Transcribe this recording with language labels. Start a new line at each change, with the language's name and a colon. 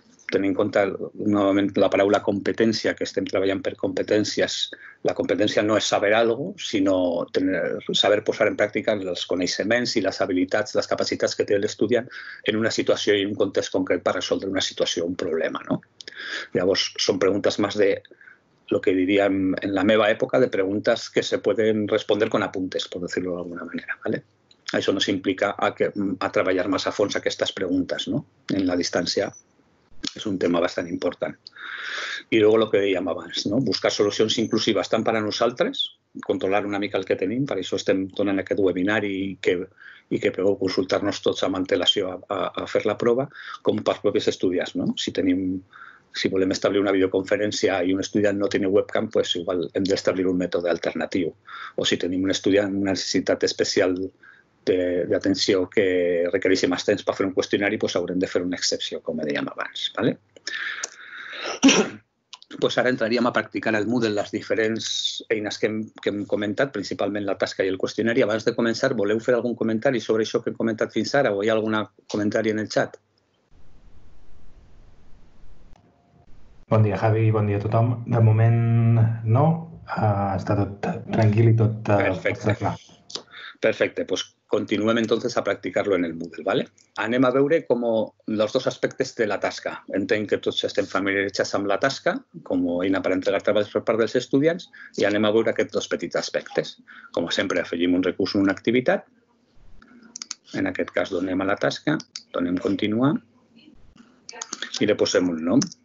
Catalan: Tenint en compte, novament, la paraula competència, que estem treballant per competències, la competència no és saber algo, sinó saber posar en pràctica els coneixements i les habilitats, les capacitats que té l'estudiant en una situació i en un context concret per resoldre una situació o un problema. No? Llavors, són preguntes més
Spanish: de lo que diría en la meva época de preguntas que se pueden responder con apuntes, por decirlo de alguna manera, ¿vale? Eso nos implica a
Catalan: treballar más a fons aquestes preguntes, ¿no? En la distància és un tema bastant important. I luego lo que dèiem abans, ¿no? Buscar solucions inclusives tant per a nosaltres, controlar una mica el que tenim, per això estem donant aquest webinari i que podeu consultar-nos tots amb antelació a fer la prova, com pels propis estudiants, ¿no? Si volem establir una videoconferència i un estudiant no té webcam, pues igual hem d'establir un mètode alternatiu. O si tenim un estudiant amb una necessitat especial d'atenció que requereix més temps per fer un qüestionari, pues haurem de fer una excepció, com dèiem abans. ¿Vale? Pues ara entraríem a practicar el Moodle, les diferents eines que hem comentat, principalment la tasca i el qüestionari. Abans de començar, voleu fer algun comentari sobre això que hem comentat fins ara o hi ha algun comentari en el chat? Bon dia, Javi, bon dia a tothom. De moment, no. Està tot tranquil i tot perfecte. Perfecte. Pues continuem, entonces, a practicar-lo en el Moodle, ¿vale? Anem a veure com els dos aspectes de la tasca. Entenc que tots estem familiaritzats amb la tasca, com a eina per entregar treballs per part dels estudiants, i anem a veure aquests dos petits aspectes. Com sempre, afegim un recurs en una activitat. En aquest cas, donem a la tasca, donem continuar i li posem un nom.